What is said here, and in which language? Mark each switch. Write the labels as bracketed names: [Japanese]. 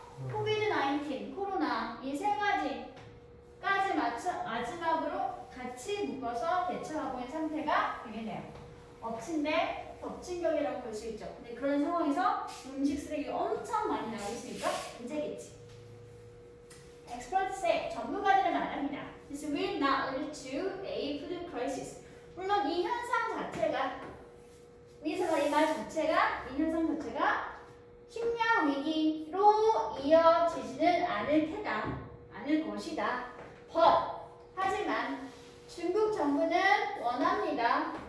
[Korean] COVID-19, 코로나 이 세 가지까지 마지막으로 같이 묶어서 대처하고 있는 상태가 되겠네요. 엎친데 덮친격이라고 볼 수 있죠. 근데 그런 상황에서 음식 쓰레기 엄청 많이 나오시니까 문제겠지. [English] Experts say [Korean] 전문가들은 말합니다. [English] This will not lead to a food crisis. [Korean] 물론 이 현상 자체가 이 현상 자체가 식량 위기로 이어지지는 않을 테다. 않을 것이다. But 하지만 중국 정부는 원합니다.